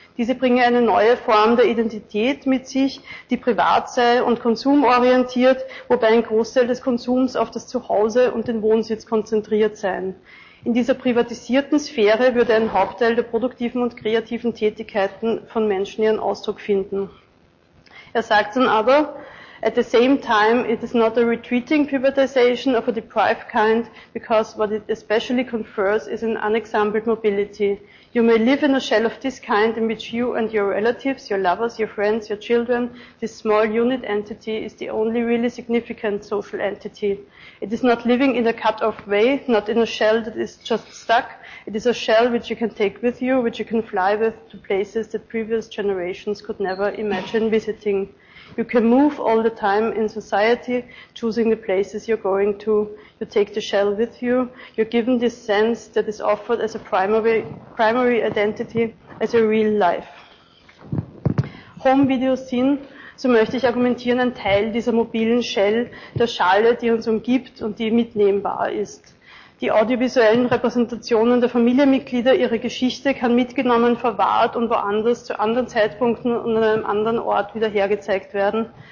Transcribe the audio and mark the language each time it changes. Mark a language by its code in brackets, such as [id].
[de] Diese bringe eine neue Form der Identität mit sich, die privat sei und konsumorientiert, wobei ein Großteil des Konsums auf das Zuhause und den Wohnsitz konzentriert sei. In dieser privatisierten Sphäre würde ein Hauptteil der produktiven und kreativen Tätigkeiten von Menschen ihren Ausdruck finden. Er sagt dann aber, [en] at the same time, it is not a retreating privatization of a deprived kind, because what it especially confers is an unexampled mobility. You may live in a shell of this kind in which you and your relatives, your lovers, your friends, your children, this small unit entity is the only really significant social entity. It is not living in a cut-off way, not in a shell that is just stuck. It is a shell which you can take with you, which you can fly with to places that previous generations could never imagine visiting. You can move all the time in society, choosing the places you're going to. You take the shell with you. You're given this sense that is offered as a primary identity, as a real life. [de] Home-Videos sind, so möchte ich argumentieren, ein Teil dieser mobilen Shell, der Schale, die uns umgibt und die mitnehmbar ist. Die audiovisuellen Repräsentationen der Familienmitglieder, ihre Geschichte kann mitgenommen, verwahrt und woanders zu anderen Zeitpunkten und an einem anderen Ort wieder hergezeigt werden.